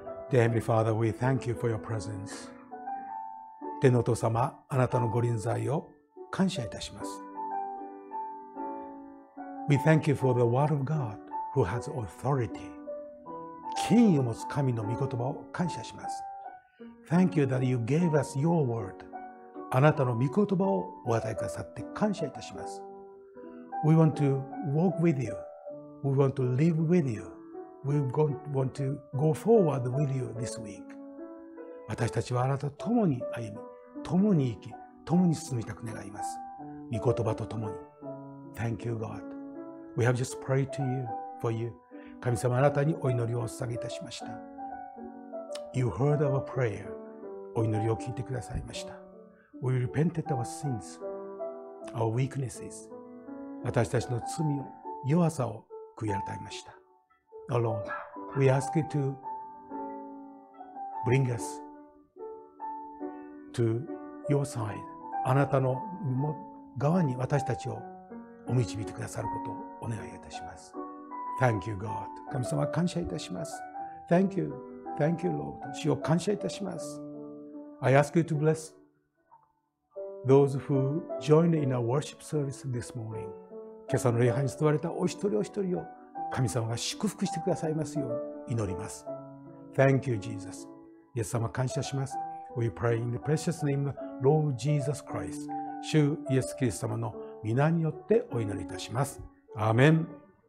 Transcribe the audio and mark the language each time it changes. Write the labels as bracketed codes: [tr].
[en] Dear Heavenly Father, we thank you for your presence. [ja] 天のお父様、あなたのご臨在を感謝いたします。 [en] We thank you for the word of God who has authority. [ja] 権威を持つ神の御言葉を感謝します。 [en] Thank you that you gave us your word. [ja] あなたの御言葉をお与えくださって感謝いたします。 [en] We want to walk with you. We want to live with you. We want to go forward with you this week. [ja] 私たちはあなたと共に歩み、共に生き、共に進みたく願います。御言葉と共に。 [en] Thank you, God. We have just prayed to you, for you. [ja] 神様、あなたにお祈りをお捧げいたしました。 [en] You heard our prayer。 [ja] お祈りを聞いてくださいました。 [en] We repented our sins, our weaknesses。 [ja] 私たちの罪を、弱さを悔い改めました。 [en] Oh Lord, we ask you to bring us to your side。 [ja] あなたの側に私たちをお導いてくださることをお願いいたします。 [en] Thank you, God. [ja] 神様、感謝いたします。 [en] Thank you. Thank you, Lord. [ja] 主を感謝いたします。 [en] I ask you to bless those who joined in our worship service this morning. [ja] 今朝の礼拝に集われたお一人お一人を神様が祝福してくださいますように祈ります。 [en] Thank you, Jesus. [ja] イエス様、感謝します。 [en] We pray in the precious name of Lord Jesus Christ. [ja] 主イエスキリスト様の御名によってお祈りいたします。アーメン。